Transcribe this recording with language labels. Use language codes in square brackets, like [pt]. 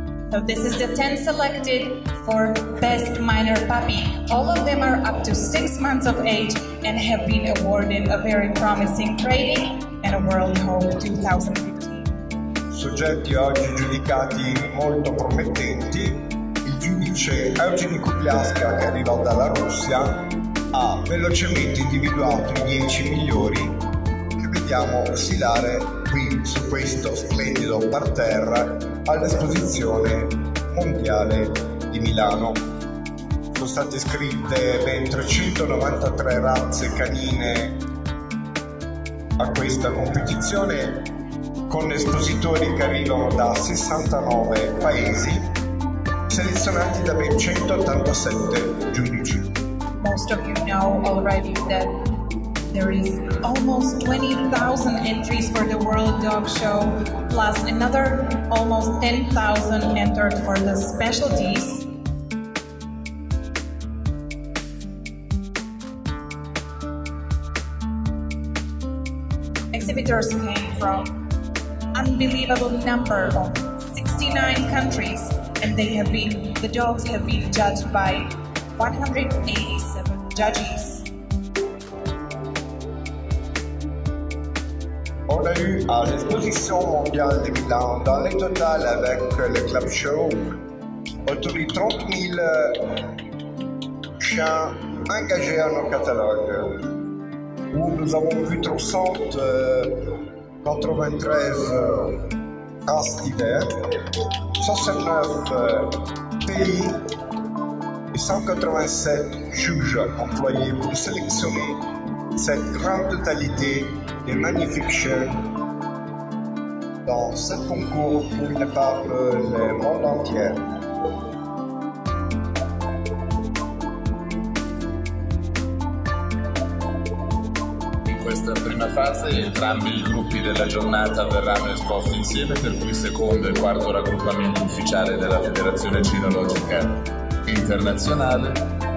[en] So this is the 10 selected for best minor puppy. All of them are up to 6 months of age and have been awarded a very promising rating and a World Hope 2015. [it] Soggetti oggi giudicati molto promettenti. Il giudice Eugeni Kupliaska, che arrivò dalla Russia, ha velocemente individuato i 10 migliori che vediamo oscillare qui su questo splendido parterre all'esposizione mondiale di Milano. Sono state iscritte ben 393 razze canine a questa competizione, con espositori che arrivano da 69 paesi, selezionati da ben 187 giudici. [en] Most of you know already that there is almost 20,000 entries for the World Dog Show, plus another almost 10,000 entered for the specialties. Exhibitors came from unbelievable number of 69 countries, and the dogs have been judged by 187 judges. [fr] On a eu à l'exposition mondiale de Milan, dans le total avec le club show, autour de 30 000 chiens engagés à nos catalogues, où nous avons vu 393 races divers, 69 pays et 187 juges employés pour sélectionner cette grande totalité des magnifiques chiens dans ce concours pour une part le monde entier. [it] In questa prima fase entrambi i gruppi della giornata verranno esposti insieme, per cui secondo e quarto raggruppamento ufficiale della Federazione Cinologica Internazionale.